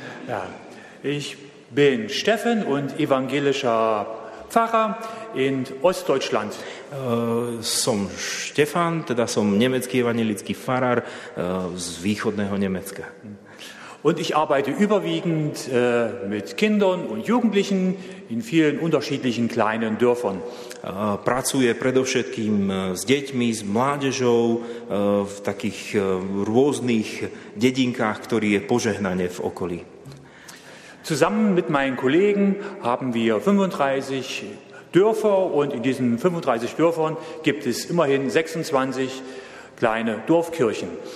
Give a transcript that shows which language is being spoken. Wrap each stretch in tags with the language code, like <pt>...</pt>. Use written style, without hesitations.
<de>Ja, ich bin Steffen und evangelischer Pfarrer in Ostdeutschland.</de> <sk>Som Stefan, teda som nemecký evangelický farár z východného Nemecka.</sk> <de>Und ich arbeite überwiegend mit Kindern und Jugendlichen in vielen unterschiedlichen kleinen Dörfern.</de> <sk>Pracuje predovšetkým s deťmi, s mládežou v takých rôznych dedinkách, ktorý je požehnanie v okolí.</sk> <de>Zusammen mit meinen Kollegen haben wir 35 Dörfer und in diesen 35 Dörfern gibt es immerhin 26 kleine Dorfkirchen.</de>